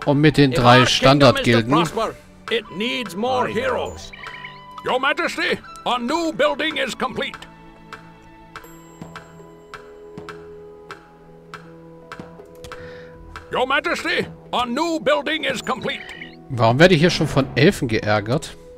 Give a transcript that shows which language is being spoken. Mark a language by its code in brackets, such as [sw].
[de] und mit den drei Standardgilden. [en] It needs more heroes. Your Majesty, a new building is complete. Your Majesty, a new building is complete. [de] Warum werde ich hier schon von Elfen geärgert?